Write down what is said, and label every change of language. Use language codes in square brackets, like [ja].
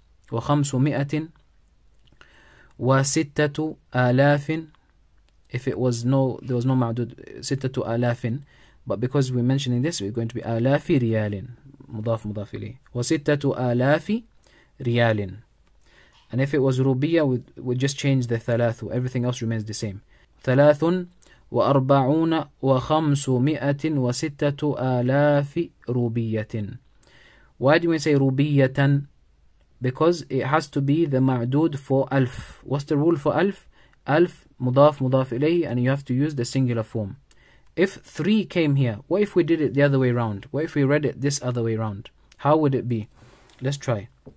[ar] وخمس مئة وستة آلاف. [en] If it was no, there was no معدود. [ar] ستة آلاف. [en] But because we're mentioning this, we're going to be آلاف ريال. [ar] مضاف مضاف إليه. وستة آلاف ريال. [en] And if it was روبية, we'd just change the ثلاث. Everything else remains the same. [ar] ثلاث وأربعون وخمسمائة وستة آلاف روبية. [en] Why do we say روبية? Because it has to be the معدود for ألف. What's the rule for ألف? ألف مضاف مضاف إليه, and you have to use the singular form. If 3 came here, what if we did it the other way around? What if we read it this other way around? How would it be? Let's try.